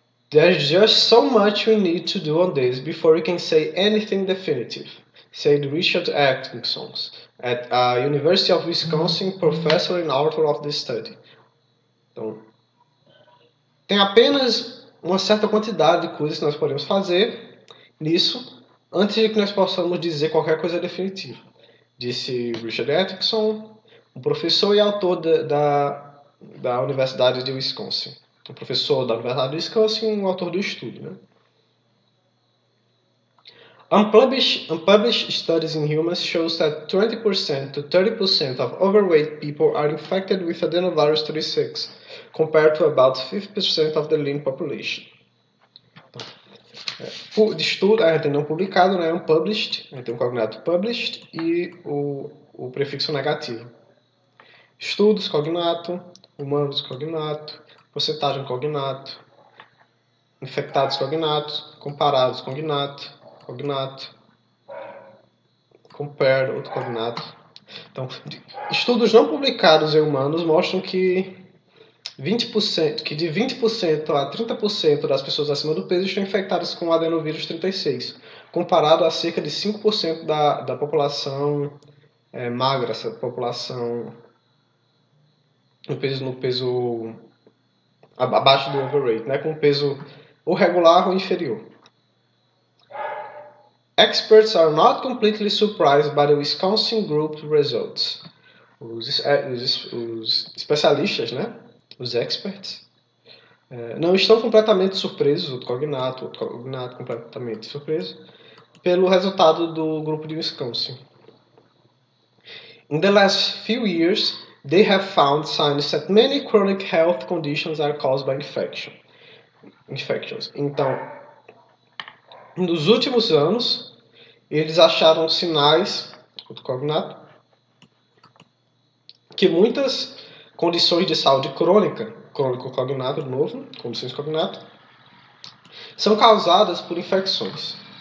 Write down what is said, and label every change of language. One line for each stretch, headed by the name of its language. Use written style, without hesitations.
English: There's just so much we need to do on this before we can say anything definitive, said Richard Atkinson, at a University of Wisconsin professor and author of this study.
Portuguese: Então, tem apenas uma certa quantidade de coisas que nós podemos fazer nisso antes de que nós possamos dizer qualquer coisa definitiva, disse Richard Atkinson, um professor e autor da Universidade de Wisconsin. Um professor da Universidade de Wisconsin e um autor do estudo, né?
English: Unpublished studies in humans shows that 20% to 30% of overweight people are infected with adenovirus 36, compared to about 50% of the lean population.
Portuguese: Então, de estudo, ainda não publicado, né? Unpublished, tem um cognato published e o prefixo negativo. Estudos, cognato, humanos, cognato, porcentagem, cognato, infectados, cognato, comparados, cognato. Cognato, compare, outro cognato. Então, estudos não publicados em humanos mostram que, 20%, que de 20% a 30% das pessoas acima do peso estão infectadas com o adenovírus 36, comparado a cerca de 5% da população magra, essa população no peso abaixo do overweight, né, com peso ou regular ou inferior.
English: Experts are not completely surprised by the Wisconsin group results.
Portuguese: Os especialistas, né? Os experts. Não estão completamente surpresos, outro cognato completamente surpreso, pelo resultado do grupo de Wisconsin.
English: In the last few years, they have found signs that many chronic health conditions are caused by infections.
Portuguese: Então, nos últimos anos, eles acharam sinais, outro cognato, que muitas condições de saúde crônica, crônico cognato, de novo, condições cognato, são causadas por infecções.